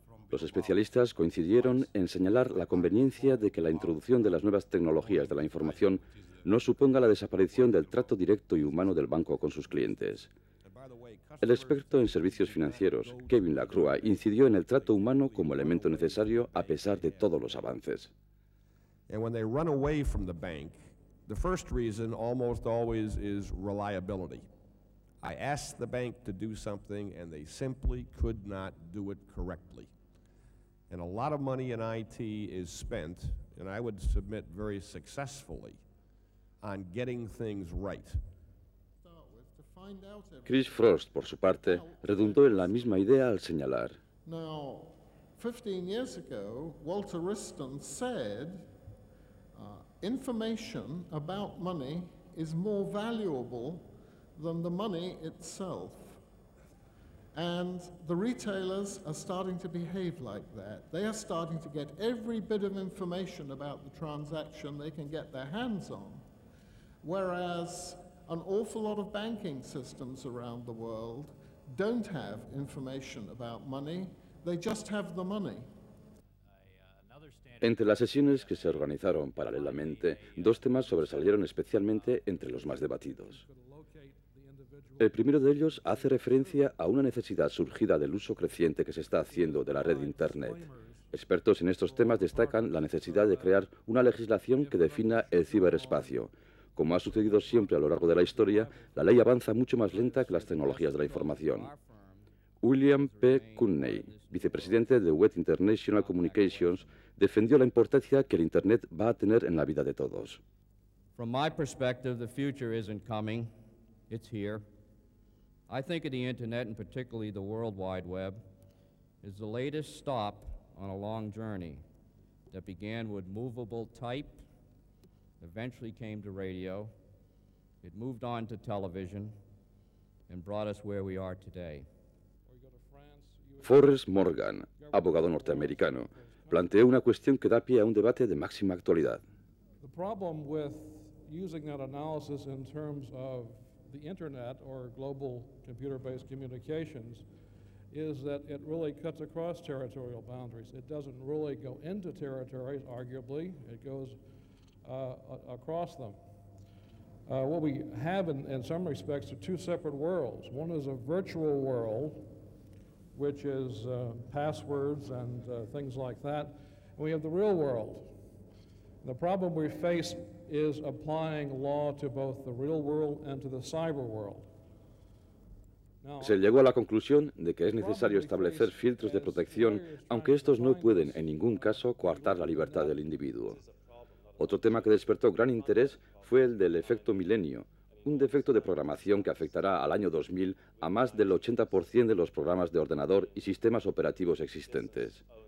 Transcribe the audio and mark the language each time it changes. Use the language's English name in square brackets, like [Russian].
[Spanish] Los especialistas coincidieron en señalar la conveniencia de que la introducción de las nuevas tecnologías de la información no suponga la desaparición del trato directo y humano del banco con sus clientes. El experto en servicios financieros, Kevin Lacroix, incidió en el trato humano como elemento necesario a pesar de todos los avances. [English] And when they run away from the bank, the first reason almost always is reliability. I asked the bank to do something and they simply could not do it correctly. And a lot of money in IT is spent, and I would submit very successfully, on getting things right. [Spanish] Chris Frost, por su parte, redundó en la misma idea al señalar. [English] Now, 15 years ago, Walter Wriston said, information about money is more valuable than the money itself. And the retailers are starting to behave like that. They are starting to get every bit of information about the transaction they can get their hands on. Whereas an awful lot of banking systems around the world don't have information about money, they just have the money. [Spanish] Entre las sesiones que se organizaron paralelamente, dos temas sobresalieron especialmente entre los más debatidos. El primero de ellos hace referencia a una necesidad surgida del uso creciente que se está haciendo de la red Internet. Expertos en estos temas destacan la necesidad de crear una legislación que defina el ciberespacio, Como ha sucedido siempre a lo largo de la historia, la ley avanza mucho más lenta que las tecnologías de la información. William P. Cunney, vicepresidente de Web International Communications, defendió la importancia que el Internet va a tener en la vida de todos. [English] From my perspective, the future isn't coming, it's here. I think of the Internet, and particularly the World Wide Web, is the latest stop on a long journey that began with movable type, eventually came to radio, it moved on to television, and brought us where we are today. [Spanish] Forrest Morgan, abogado norteamericano, planteó una cuestión que da pie a un debate de máxima actualidad. [English] The problem with using that analysis in terms of the Internet or global computer-based communications is that it really cuts across territorial boundaries. It doesn't really go into territories, arguably. It goes across them. What we have in some respects are two separate worlds. One is a virtual world, which is passwords and things like that. And we have the real world. The problem we face is applying law to both the real world and to the cyber world. [Spanish] Se llegó a la conclusión de que es necesario establecer filtros de protección, aunque estos no pueden, en ningún caso, coartar la libertad del individuo. Otro tema que despertó gran interés fue el del efecto milenio, un defecto de programación que afectará al año 2000 a más del 80% de los programas de ordenador y sistemas operativos existentes.